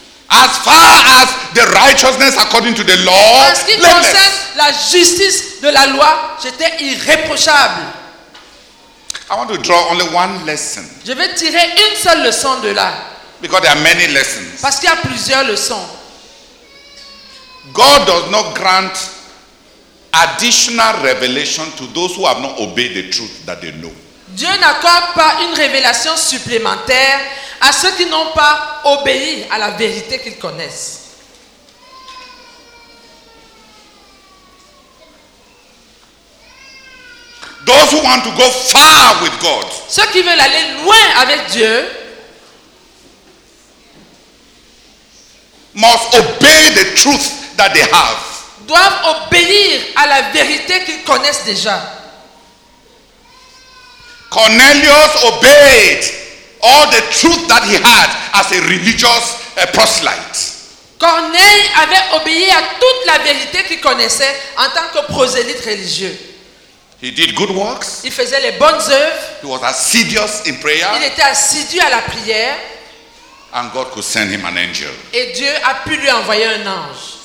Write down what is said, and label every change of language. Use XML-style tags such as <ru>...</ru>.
<en>as far as the righteousness according to the law,</en> <fr>en ce qui concerne la justice de la loi, j'étais irréprochable.</fr> <en>I want to draw only one lesson.</en> <fr>Je vais tirer une seule leçon de là.</fr> <en>Because there are many lessons.</en> <fr>Parce qu'il y a plusieurs leçons.</fr> <en>God does not grant additional revelation to those who have not obeyed the truth that they know.</en> <fr>Dieu n'accorde pas une révélation supplémentaire à ceux qui n'ont pas obéi à la vérité qu'ils connaissent.</fr> <en>Those who want to go far with God.</en> <fr>Ceux qui veulent aller loin avec Dieu</fr> <en>must obey the truth that they have.</en> <fr>Doivent obéir à la vérité qu'ils connaissent déjà.</fr> <en>Cornelius obeyed all the truth that he had as a religious proselyte.</en> <fr>Corneille avait obéi à toute la vérité qu'il connaissait en tant que prosélyte religieux.</fr> <en>He did good works.</en> <fr>Il faisait les bonnes œuvres.</fr> <en>He was assiduous in prayer.</en> <fr>Il était assidu à la prière.</fr> <en>And God could send him an angel.</en> <fr>Et Dieu a pu lui envoyer un ange.</fr>